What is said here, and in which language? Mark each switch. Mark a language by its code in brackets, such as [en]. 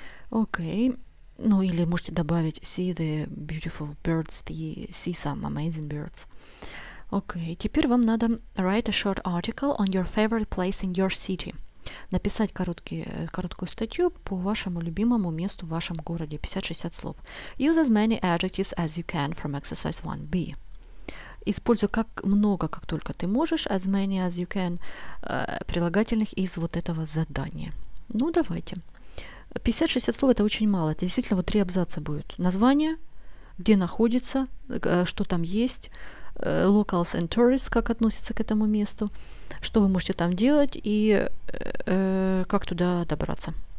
[en] Окей. [ru] Ну, или можете добавить [en] see the beautiful birds, the see some amazing birds. Окей. [ru] Теперь вам надо [en] write a short article on your favorite place in your city. [ru] Написать короткую статью по вашему любимому месту в вашем городе. 50-60 слов. [en] Use as many adjectives as you can from exercise 1b. [ru] Используй как много, как только ты можешь, [en] as many as you can, [ru] прилагательных из вот этого задания. Ну, давайте. 50-60 слов – это очень мало. Это действительно вот три абзаца будет. Название, где находится, что там есть, [en] locals and tourists, [ru] как относятся к этому месту, что вы можете там делать и как туда добраться.